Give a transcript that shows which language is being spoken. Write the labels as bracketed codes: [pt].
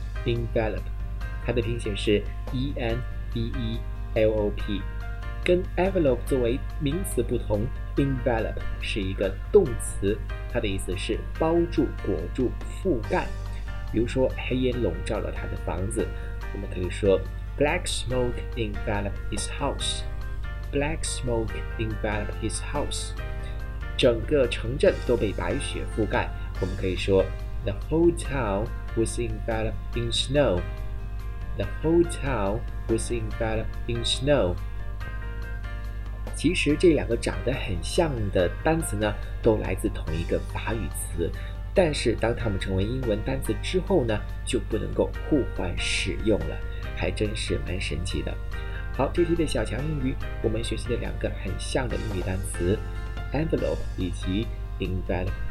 [zh] envelope， 它的拼写是 envelop， 跟 envelope 作为名词不同 ，envelope 是一个动词，它的意思是包住、裹住、覆盖。比如说，黑烟笼罩了他的房子，我们可以说 [en] black smoke enveloped his house。 black smoke enveloped his house， [zh] 整个城镇都被白雪覆盖，我们可以说 [en] the whole town。 Was enveloped in snow. The whole town was enveloped in snow. [zh] 其实这两个长得很像的单词呢，都来自同一个法语词，但是当它们成为英文单词之后呢，就不能够互换使用了，还真是蛮神奇的。好，这期的小强英语，我们学习的两个很像的英语单词 envelope 以及 envelope。